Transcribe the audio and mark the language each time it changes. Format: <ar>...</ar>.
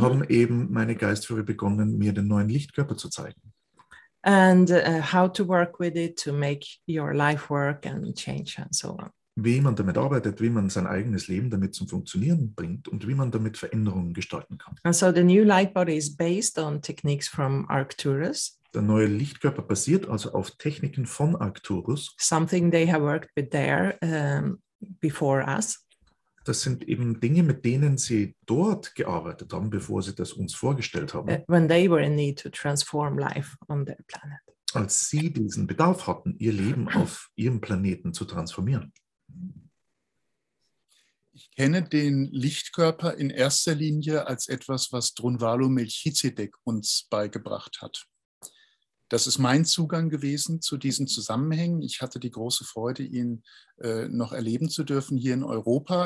<de>haben eben meine Geistführer begonnen, mir den neuen Lichtkörper zu zeigen.</de> <en>And how to work with it to make your life work and change and so on.</en> <de>Wie man damit arbeitet, wie man sein eigenes Leben damit zum Funktionieren bringt und wie man damit Veränderungen gestalten kann.</de> <en>And so the new light body is based on techniques from Arcturus.</en> <de>Der neue Lichtkörper basiert also auf Techniken von Arcturus.</de> <en>Something they have worked with there before us.</en> <de>Das sind eben Dinge, mit denen sie dort gearbeitet haben, bevor sie das uns vorgestellt haben.</de> <en>When they were in need to transform life on their planet.</en> <de>Als sie diesen Bedarf hatten, ihr Leben auf ihrem Planeten zu transformieren. Ich kenne den Lichtkörper in erster Linie als etwas, was Drunvalo Melchizedek uns beigebracht hat. Das ist mein Zugang gewesen zu diesen Zusammenhängen. Ich hatte die große Freude, ihn noch erleben zu dürfen hier in Europa.</de>